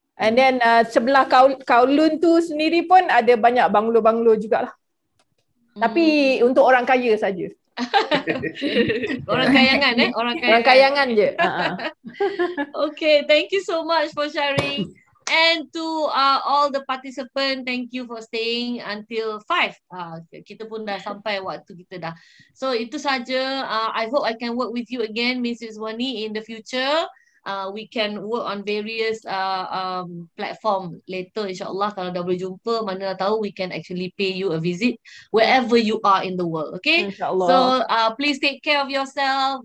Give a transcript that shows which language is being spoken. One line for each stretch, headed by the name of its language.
English: And then
Malay: sebelah Kowloon tu sendiri pun ada banyak banglo-banglo jugalah. Tapi untuk orang kaya saja. Orang kayangan je.
English: Okay, thank you so much for sharing. And to all the participant, thank you for staying until 5.
Malay: Kita pun dah sampai waktu kita dah. So itu saja.
English: I hope I can work with you again, Mrs. Ezzwanee, in the future. We can work on various platform later, insyaAllah.
Malay: Kalau dah boleh jumpa, mana tahu
English: we can actually pay you a visit wherever you are in the world, okay?
Malay: InsyaAllah.
English: So please take care of yourself.